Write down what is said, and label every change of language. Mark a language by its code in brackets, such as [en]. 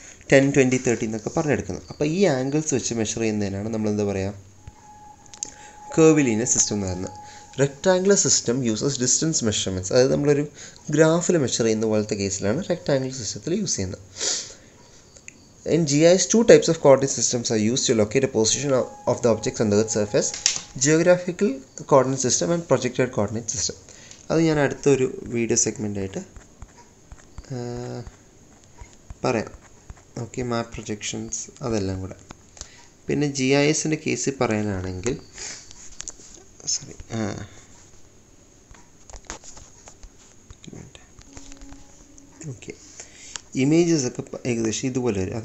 [ml] 10, 20, 30 എന്നൊക്കെ പറഞ്ഞെടുക്കുന്നത്. അപ്പോൾ ഈ ആംഗിൾസ് വെച്ച് മെഷർ ചെയ്യുന്നതിനാണ് നമ്മളെന്താ പറയുക, കർവിലീനിയർ സിസ്റ്റം എന്ന് പറയുന്നത്. [en] rectangular system uses distance measurements, [ml] അതായത് നമ്മളൊരു ഗ്രാഫിൽ മെഷർ ചെയ്യുന്ന പോലത്തെ കേസിലാണ് റെക്ടാംഗുലർ സിസ്റ്റത്തിൽ യൂസ് ചെയ്യുന്നത്. [en] In GIS, two types of coordinate systems are used to locate the position of the objects on the Earth's surface. Geographical coordinate system and projected coordinate system. [ml] അത് ഞാൻ അടുത്തൊരു വീഡിയോ സെഗ്മെൻ്റായിട്ട് പറയാം. Okay, മാപ്പ് projections അതെല്ലാം കൂടെ. പിന്നെ G I എസിൻ്റെ കേസിൽ പറയാനാണെങ്കിൽ, സോറി, ഓക്കെ, ഇമേജസ് ഒക്കെ ഏകദേശം ഇതുപോലെ വരും.